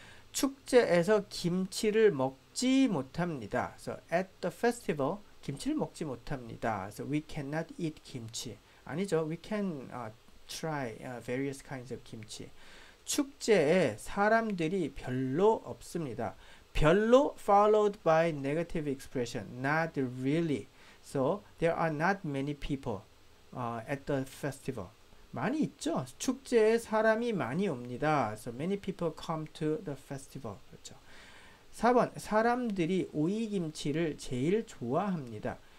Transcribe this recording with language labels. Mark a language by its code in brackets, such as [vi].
[ko] 축제에서 김치를 먹지 못합니다. [en] So at the festival, [ko] 김치를 먹지 못합니다. [en] So we cannot eat 김치. [ko] 아니죠. [en] We can try various kinds of 김치. [ko] 축제에 사람들이 별로 없습니다. [en] 별로 followed by negative expression. Not really. So there are not many people at the festival. [ko] 많이 있죠. 축제에 사람이 많이 옵니다. [en] So many people come to the festival. [ko] 그렇죠. [en] 4번. [ko] 사람들이 오이 김치를 제일 좋아합니다.